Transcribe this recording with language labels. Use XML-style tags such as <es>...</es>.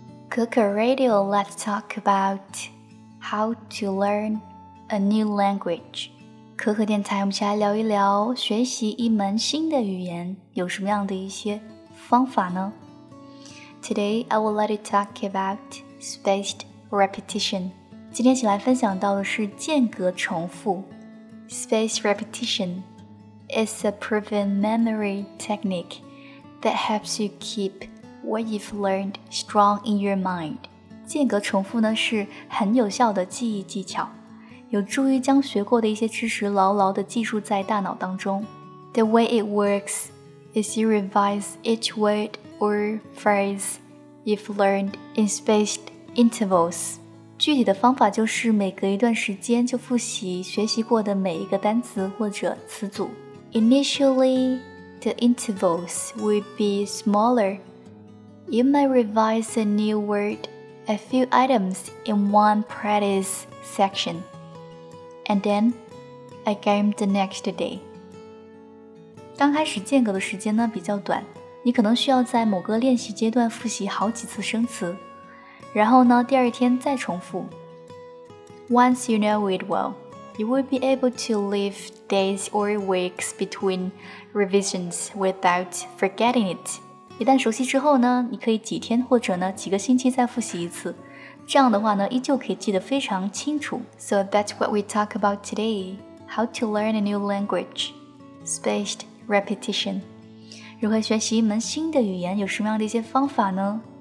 <en>Kuku Radio, let's talk about how to learn a new language.</en> <zh>Kuku 电台，我们一起来聊一聊学习一门新的语言有什么样的一些方法呢？</zh> <en>Today, I would like to talk about spaced repetition.</en> <zh>今天请来分享到的是间隔重复。</zh> <en>Spaced repetition is a proven memory technique that helps you keep what you've learned strong in your mind.</en> <zh>间隔重复呢是很有效的记忆技巧，有助于将学过的一些知识牢牢地记住在大脑当中。</zh> <en>The way it works is you revise each word or phrase you've learned in spaced intervals.</en> <zh>具体的方法就是每隔一段时间就复习学习过的每一个单词或者词组。</zh> <en>Initially, the intervals will be smaller. You might revise a new word, a few items in one practice section, and then again the next day.</en> <zh>刚开始间隔的时间呢比较短，你可能需要在某个练习阶段复习好几次生词，然后呢第二天再重复。</zh> <en>Once you know it well, you will be able to live days or weeks between revisions without forgetting it.</en> <zh>一旦熟悉之后呢，你可以几天或者呢几个星期再复习一次，这样的话呢依旧可以记得非常清楚。</zh> <en>So that's what we talk about today. How to learn a new language. Spaced repetition.</en> <zh>如何学习一门新的语言有什么样的一些方法呢？</zh>